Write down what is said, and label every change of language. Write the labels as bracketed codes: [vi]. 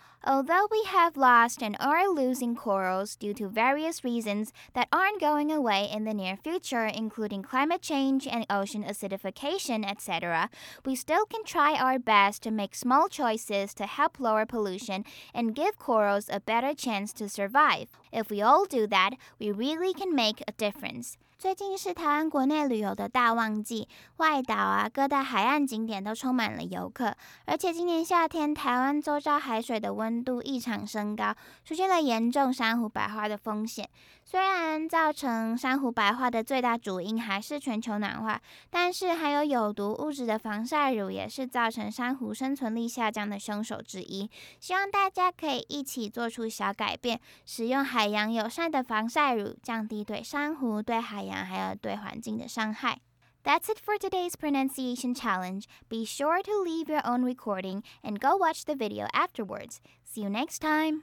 [en] Although we have lost and are losing corals due to various reasons that aren't going away in the near future, including climate change and ocean acidification, etc., we still can try our best to make small choices to help lower pollution and give corals a better chance to survive. If we all do that, we really can make a difference. [zh] 最近是台湾国内旅游的大旺季，外岛啊，各大海岸景点都充满了游客。而且今年夏天，台湾周遭海水的温度异常升高，出现了严重珊瑚白化的风险。虽然造成珊瑚白化的最大主因还是全球暖化，但是含有有毒物质的防晒乳也是造成珊瑚生存力下降的凶手之一。希望大家可以一起做出小改变，使用海洋友善的防晒乳，降低对珊瑚、对海洋还有对环境的伤害。 [en] That's it for today's pronunciation challenge. Be sure to leave your own recording and go watch the video afterwards. See you next time.